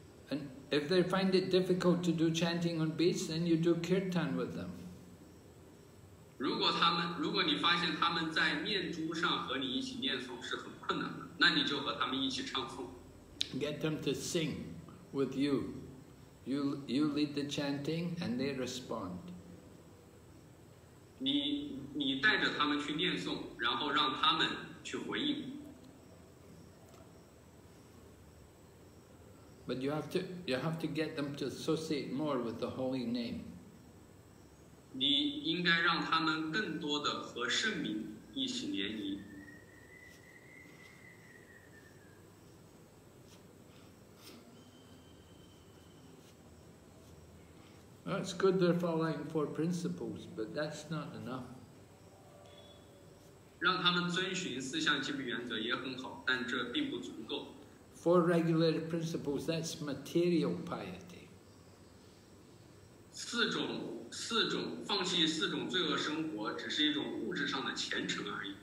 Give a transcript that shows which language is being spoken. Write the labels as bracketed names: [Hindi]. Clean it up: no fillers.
[English] And if they find it difficult to do chanting on beats, then you do kirtan with them. [Chinese] 如果你发现他们在念珠上和你一起念诵是很困难的，那你就和他们一起唱诵。 [English] Get them to sing with you. You lead the chanting and they respond. [Chinese] 你带着他们去念诵，然后让他们去回应。 [English] But you have to get them to associate more with the holy name. [Chinese] 你应该让他们更多的和圣名一起联谊。 [English] Well, it's good they're following four principles, but that's not enough. [Chinese] 让他们遵循四项基本原则也很好，但这并不足够。 [English] Four regular principles, that's material piety. [Chinese] 四种放弃四种罪恶生活只是一种物质上的虔诚而已。